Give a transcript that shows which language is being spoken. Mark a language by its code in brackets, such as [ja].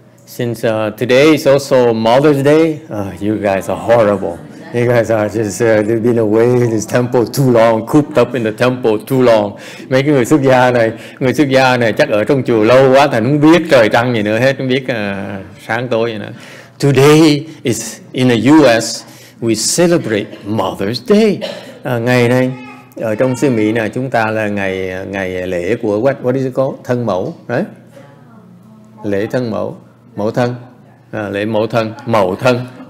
[en] Since today is also Mother's Day, you guys are horrible. You guys are just, they've been away in this temple too long, cooped up in the temple too long. [vi] Mấy cái người xuất gia này chắc ở trong chùa lâu quá, thành không biết trời trăng gì nữa hết, không biết sáng tối gì nữa. [en] Today is, in the US, we celebrate Mother's Day. [vi] Ngày này, ở trong xứ Mỹ này, chúng ta là ngày ngày lễ của, [en] what is it called? [vi] Thân mẫu, [en] right? [vi] Lễ thân mẫu, mẫu thân, lễ mẫu thân, mẫu thân.